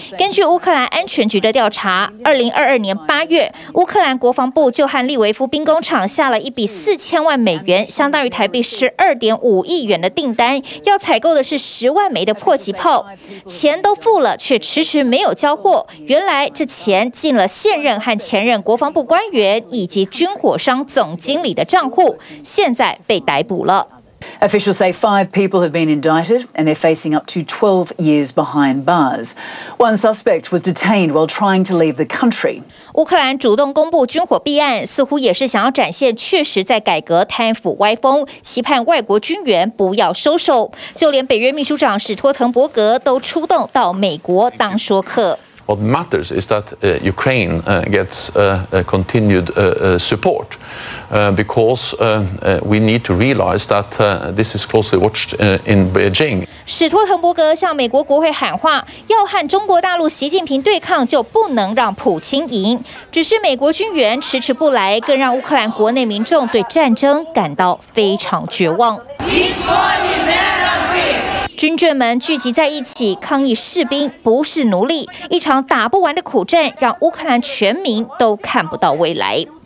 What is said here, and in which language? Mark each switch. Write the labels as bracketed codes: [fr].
[zh] 根据乌克兰安全局的调查，2022年8月，乌克兰国防部就和利维夫兵工厂下了一笔4000万美元，相当于台币12.5亿元的订单，要采购的是10万枚的迫击炮。钱都付了，却迟迟没有交货。原来这钱进了现任和前任国防部官员以及军火商总经理的账户。现在被逮捕了。 [en] Officials say 5 people have been indicted and they're facing up to 12 years behind bars. One suspect was detained while trying to leave the country. [zh] 乌克兰主动公布军火弊案，似乎也是想要展现确实在改革贪腐歪风，期盼外国军援不要收手。就连北约秘书长史托滕伯格都出动到美国当说客。 [en] What matters is that Ukraine gets continued support because we need to realize that this is closely watched in Beijing. [zh] 史托滕伯格向美国国会喊话，要和中国大陆习近平对抗，就不能让普京赢。只是美国军援迟迟不来，更让乌克兰国内民众对战争感到非常绝望。军眷们聚集在一起抗议士兵不是奴隶，一场打不完的苦战让乌克兰全民都看不到未来。